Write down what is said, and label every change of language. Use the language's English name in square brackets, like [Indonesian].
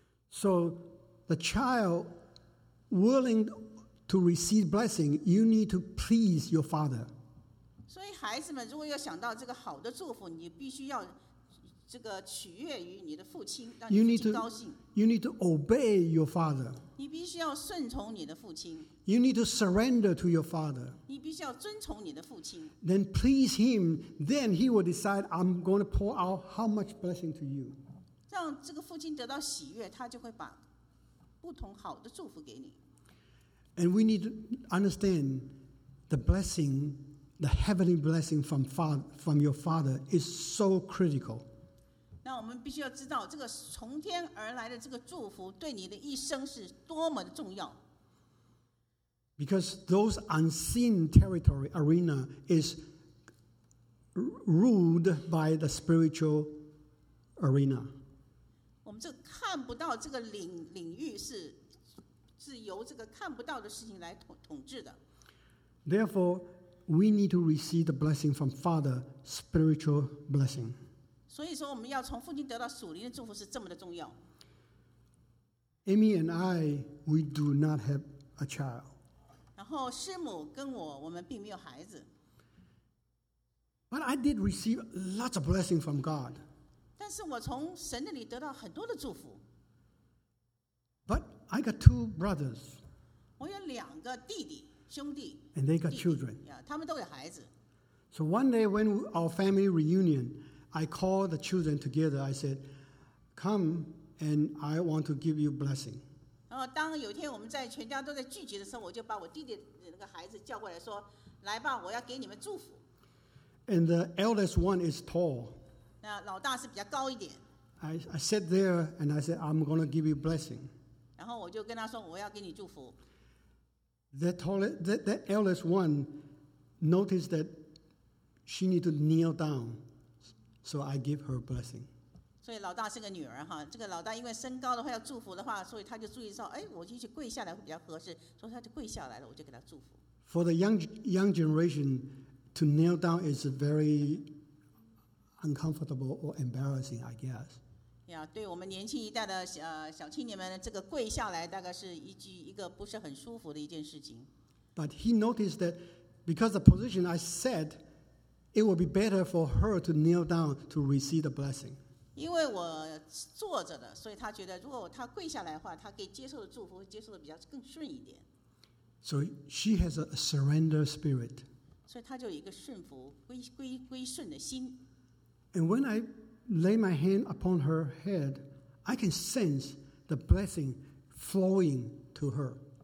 [English] So the child willing to receive blessing, you need to please your father. [Chinese] 所以孩子们如果要想到这个好的祝福，你必须要这个取悦于你的父亲，让你父亲高兴。 [English] You need to obey your father. [Chinese] 你必须要顺从你的父亲。 [English] You need to surrender to your father. [Chinese] 你必须要遵从你的父亲。 [English] Then please him, then he will decide, I'm going to pour out how much blessing to you. [Chinese] 让这个父亲得到喜悦，他就会把不同好的祝福给你。 [English] And we need to understand the blessing, the heavenly blessing from your father is so critical. [Chinese] 那我们必须要知道，这个从天而来的这个祝福对你的一生是多么的重要。 [English] Because those unseen territory arena is ruled by the spiritual arena. [Chinese] 我们这看不到这个领域是由这个看不到的事情来统治的。 [English] Therefore, we need to receive the blessing from Father, spiritual blessing. [Chinese] 所以说，我们要从父亲得到属灵的祝福是这么的重要。 [English] Amy and I, we do not have a child. [Chinese] 然后师母跟我们并没有孩子。 [English] But I did receive lots of blessing from God. [Chinese] 但是我从神那里得到很多的祝福。 [English] But I got two brothers. [Chinese] 我有两个弟弟兄弟。 [English] And they got [Chinese] 弟弟 [English] children. Yeah, [Chinese] 他们都有孩子。 [English] So one day when our family reunion, I called the children together. I said, "Come and I want to give you blessing." [Chinese] 然后当有一天我们在全家都在聚集的时候，我就把我弟弟的那个孩子叫过来，说：“来吧，我要给你们祝福。” [English] And the eldest one is tall. [Chinese] 那老大是比较高一点。 [English] I sat there and I said, "I'm going to give you blessing." [Chinese] 然后我就跟他说：“我要给你祝福。” [English] That eldest one noticed that she needed to kneel down, so I give her blessing. [Chinese] 所以老大是个女儿哈，这个老大因为身高的话要祝福的话，所以他就注意到，哎，我就去跪下来会比较合适，所以他就跪下来了，我就给他祝福。 [English] For the young generation, to kneel down is very uncomfortable or embarrassing, I guess. Yeah, [Chinese] 对我们年轻一代的小青年们，这个跪下来大概是一个不是很舒服的一件事情。 [English] But he noticed that because the position I said, it would be better for her to kneel down to receive the blessing. [Chinese] 因为我坐着的，所以他觉得如果他跪下来的话，他可以接受的祝福会接受的比较更顺一点。 [English] So she has a surrender spirit. [Chinese] 所以他就有一个顺服、归顺的心。 [English] And when I lay my hand upon her head, I can sense the blessing flowing to her.